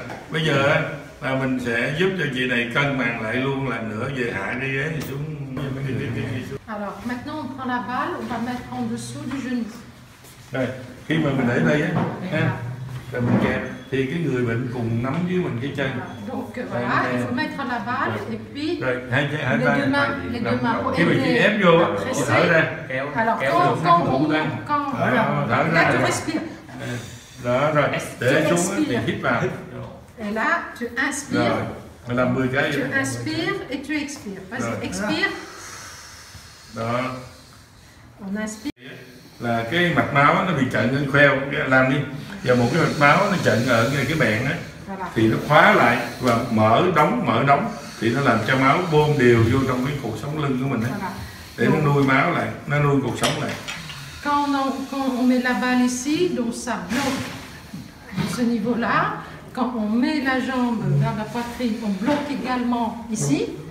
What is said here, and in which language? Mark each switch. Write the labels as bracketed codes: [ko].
[vi] Bây giờ là mình sẽ giúp cho chị này cân bằng lại luôn lần nữa, về hạ cái ghế thì xuống. [fr] Alors, maintenant on prend la balle, on va mettre en dessous du genou. [vi] Rồi, khi mà mình để đây á, rồi mình kẹp, thì cái người bệnh cùng nắm dưới mình cái chân. [fr] Donc voilà, il faut mettre la balle et puis les deux mains, les deux mains. [vi] Khi mà chị ép vô, chị thở ra. [fr] Alors, quand on voilà, [vi] thở ra, [fr] tu respires. [vi] Đó rồi, để xuống thì hít vào. [fr] Et là, tu inspires. [vi] Rồi, mình làm 10 cái. [fr] Tu inspires et tu expires. Vas-y, expire. [vi] Đó. Là cái mạch máu nó bị chặn lên kheo làm đi. Và một cái mạch máu nó chặn ở ngay cái bẹn á thì nó khóa lại và mở đóng thì nó làm cho máu bơm đều vô trong cái cuộc sống lưng của mình á. Để nó nuôi máu lại, nó nuôi cuộc sống lại. [fr] Quand on met la balle ici, donc ça bloque ce niveau-là. Quand on met la jambe vers la poitrine, on bloque également ici.